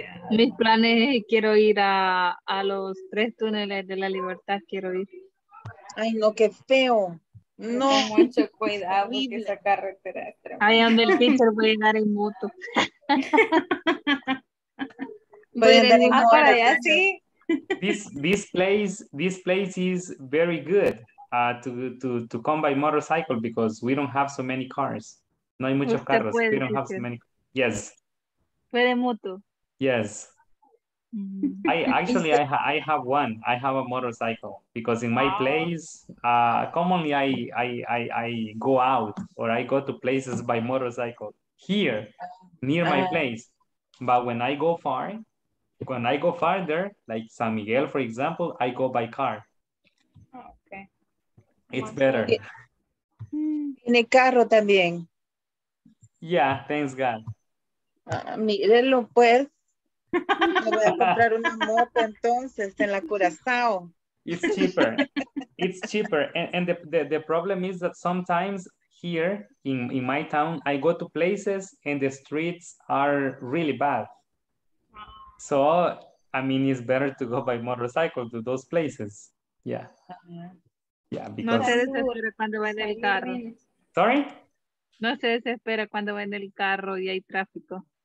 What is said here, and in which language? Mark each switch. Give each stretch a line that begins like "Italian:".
Spanish: Mis planes es, quiero ir a los tres túneles de la libertad, quiero ir. Ay, no, qué feo. No. Con mucho cuidado con esa carretera. Ahí donde el pincher voy a ir en moto. Voy a andar en moto. Para allá, sí.
English: This place is very good to come by motorcycle because we don't have so many cars.
Spanish: No hay muchos carros.
English: We don't have so many. Yes.
Spanish: Puede moto.
English: Yes. I have one. I have a motorcycle because in my place, commonly I go out or I go to places by motorcycle here near my place. But when I go far. When I go farther, like San Miguel, for example, I go by car. Okay. It's better.
Spanish: Tiene carro también.
English: Yeah, thanks God.
Spanish: Mírenlo, pues. Me voy a comprar una moto entonces en la Curazao.
English: It's cheaper. It's cheaper. And the problem is that sometimes here in my town, I go to places and the streets are really bad. So, I mean, it's better to go by motorcycle to those places. Yeah. Yeah, because...
Spanish: No se desespera cuando va en el carro.
English: Sorry?
Spanish: No se desespera cuando va en el carro y hay tráfico.